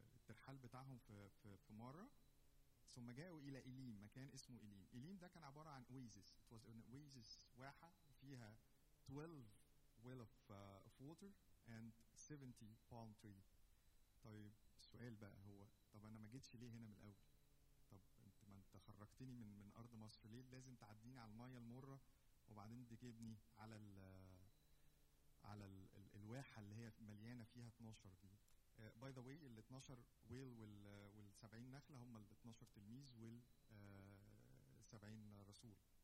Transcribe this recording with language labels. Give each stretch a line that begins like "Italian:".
Arabic: الحال بتاعهم في مارة، ثم جاءوا إلى إليم، مكان اسمه إليم. إليم ده كان عبارة عن أويزس،
English: it was an oasis
Arabic: واحة فيها
English: 12 well of water and 70 palm tree.
Arabic: طيب السؤال بقى هو، طب أنا ما جيتش ليه هنا من الأول؟ طب أنت ما أنت خرجتني من أرض مصر، ليه لازم تعديني على المية المرة وبعدين تجيبني على الواحة اللي هي مليانة فيها 12 دي؟
English: by the way,
Arabic: ال 12 ويل وال 70 نخلة هم ال 12 تلميذ وال 70 رسول.